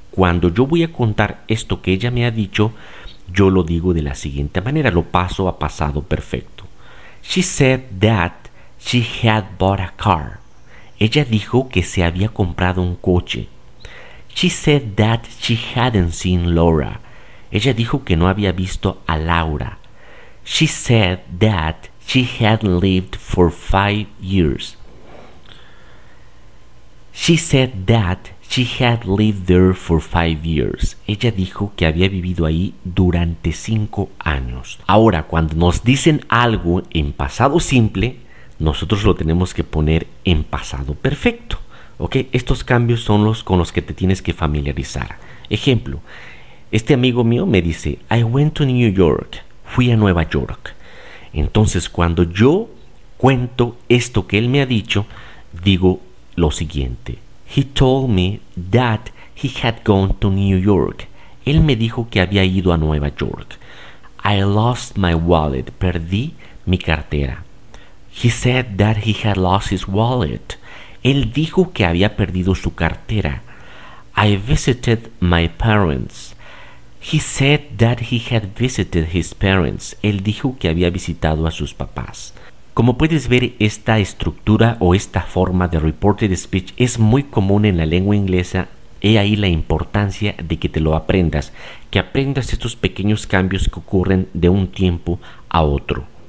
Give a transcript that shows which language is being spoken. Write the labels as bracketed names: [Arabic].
[Spanish] Cuando yo voy a contar esto que ella me ha dicho, yo lo digo de la siguiente manera. Lo paso a pasado perfecto. [English] She said that she had bought a car. [Spanish] Ella dijo que se había comprado un coche. [English] She said that she hadn't seen Laura. [Spanish] Ella dijo que no había visto a Laura. [English] She said that she had lived for 5 years. She said that she had lived there for 5 years. [Spanish] Ella dijo que había vivido ahí durante 5 años. Ahora, cuando nos dicen algo en pasado simple, nosotros lo tenemos que poner en pasado perfecto, ¿ok? Estos cambios son los con los que te tienes que familiarizar. Ejemplo, este amigo mío me dice, [English] I went to New York, [Spanish] fui a Nueva York. Entonces, cuando yo cuento esto que él me ha dicho, digo lo siguiente. [English] He told me that he had gone to New York. [Spanish] Él me dijo que había ido a Nueva York. [English] I lost my wallet, [Spanish] perdí mi cartera. [English] He said that he had lost his wallet. [Spanish] Él dijo que había perdido su cartera. [English] I visited my parents. He said that he had visited his parents. [Spanish] Él dijo que había visitado a sus papás. Como puedes ver, esta estructura o esta forma de reported speech es muy común en la lengua inglesa. He ahí la importancia de que te lo aprendas, que aprendas estos pequeños cambios que ocurren de un tiempo a otro.